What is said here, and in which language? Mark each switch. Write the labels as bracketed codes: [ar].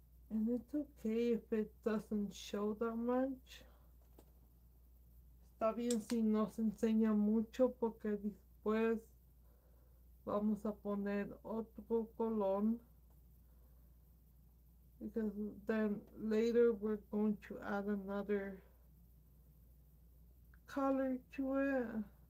[en] And it's okay if it doesn't show that much. [es] Está bien si nos enseña mucho porque después vamos a poner otro color. [en] Because then later we're going to add another color to it.